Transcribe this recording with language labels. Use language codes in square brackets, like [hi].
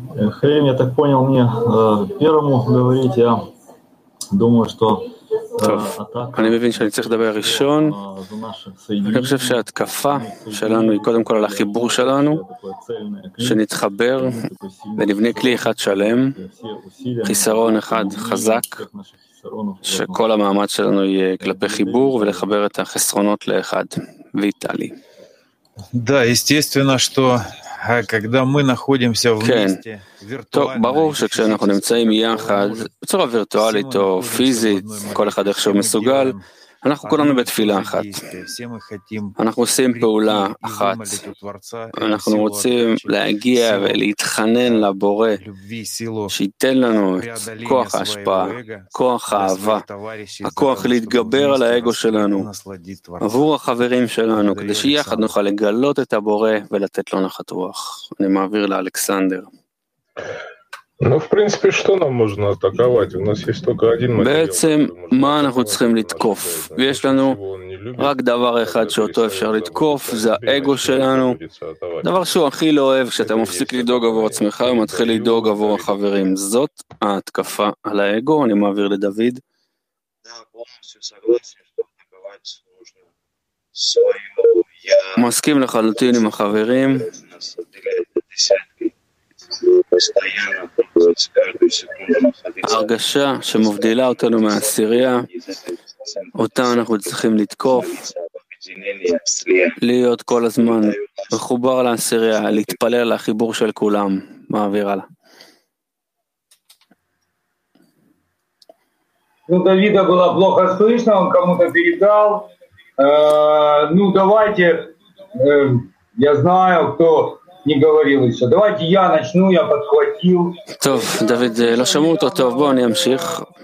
[ru] Хрим, я так понял, мне первому говорить, я думаю, что атака... [he] אני מבין שאני צריך לדבר ראשון. אני חושב שההתקפה שלנו היא קודם כל על החיבור שלנו, שנתחבר ונבנה כלי אחד שלם, חיסרון אחד חזק, שכל המעמד שלנו יהיה כלפי חיבור ולחבר את החסרונות לאחד. ויטלי. [ru] Да, естественно, что когда мы находимся вместе виртуально, [he] ברור שכשאנחנו נמצאים יחד בצורה וירטואלית או פיזית, כל אחד איך שהוא מסוגל, אנחנו כולנו בתפילה אחת. אנחנו עושים פעולה אחת. אנחנו רוצים להגיע ולהתחנן לבורא שייתן לנו את כוח ההשפעה, כוח האהבה, הכוח להתגבר על האגו שלנו עבור החברים שלנו, כדי שיחד נוכל לגלות את הבורא ולתת לו נחת רוח. אני מעביר לאלכסנדר. [ru] Ну, в принципе, что нам можно атаковать? У нас есть только один материал. [he] בעצם, מה אנחנו צריכים לתקוף? יש לנו רק דבר אחד שאותו אפשר לתקוף, זה האגו שלנו. דבר שהוא הכי לא אוהב, כשאתה מפסיק לדאוג עבור עצמך, ומתחיל לדאוג עבור החברים. זאת ההתקפה על האגו, אני מעביר לדוד. [ru] Да, полностью согласен, что атаковать нужно свое я. [he] מסכים לחלוטין עם החברים. הרגשה שמובדילה אותנו מהסירייה, אותה אנחנו צריכים לתקוף, להיות כל הזמן מחובר לסירייה, להתפלל לחיבור של כולם. מעביר הלאה. [ru] דודה была плохо слышно, он кому-то передал. Ну давайте, я знаю, кто не говорил еще. Давайте я начну, я подхватил. [he] טוב, דוד, לא שמעו אותו טוב, בוא אני אמשיך.